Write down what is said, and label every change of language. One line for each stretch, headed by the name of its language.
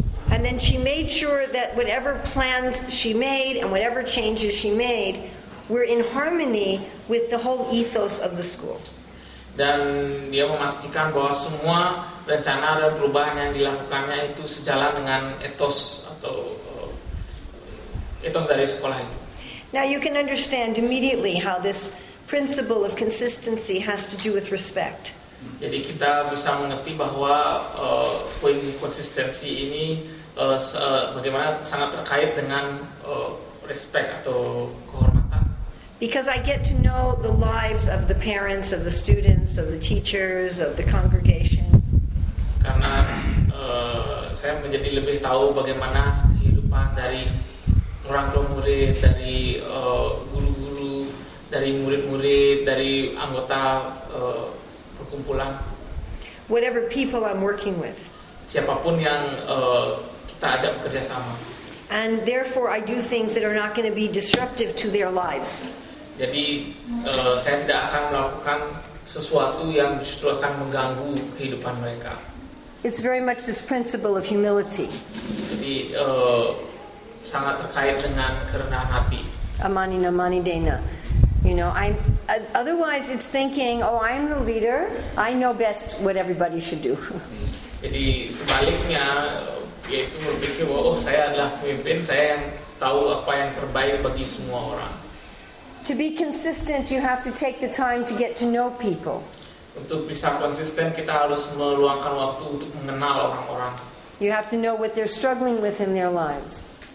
English: and then she made sure that whatever plans she made and whatever changes she made were in harmony with the whole ethos of the school.
Indonesian: Dan dia memastikan bahwa semua rencana dan perubahan yang dilakukannya itu sejalan dengan etos atau etos dari sekolah itu.
English: Now you can understand immediately how this principle of consistency has to do with respect.
Indonesian: Jadi kita bisa mengerti bahwa poin konsistensi ini bagaimana sangat terkait dengan respect atau kehormatan.
English: Because I get to know the lives of the parents, of the students, of the teachers, of the congregation.
Indonesian: Karena saya menjadi lebih tahu bagaimana kehidupan dari orang-orang murid, dari guru-guru, dari murid-murid, dari anggota perkumpulan.
English: Whatever people I'm working with.
Indonesian: Siapapun yang kita ajak bekerja sama.
English: And therefore I do things that are not going to be disruptive to their lives.
Indonesian: Jadi saya tidak akan melakukan sesuatu yang justru akan mengganggu kehidupan mereka.
English: It's very much this principle of humility.
Indonesian: Jadi sangat terkait dengan kerendahan hati.
Sanskrit: Amani na mani dena.
English: You know, I'm otherwise it's thinking, oh, I'm the leader, I know best what everybody should do.
Indonesian: Jadi sebaliknya yaitu berpikir bahwa, oh, saya adalah pemimpin, saya yang tahu apa yang terbaik bagi semua orang.
English: To be consistent, you have to take the time to get to know people.
Indonesian: Untuk bisa konsisten, kita harus meluangkan waktu untuk mengenal orang-orang.
English: You have to know what they're struggling with in their lives.